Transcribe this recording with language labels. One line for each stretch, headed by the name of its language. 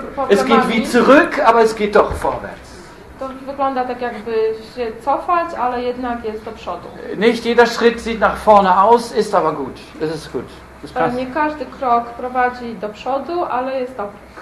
German: Es geht wie zurück, aber es geht doch vorwärts.
Polish: To wygląda tak, jakby się cofać, ale jednak jest do przodu.
German: Nicht jeder Schritt sieht nach vorne aus, ist aber gut. Es ist gut.
Polish: Nie każdy krok prowadzi do przodu, ale jest dobry.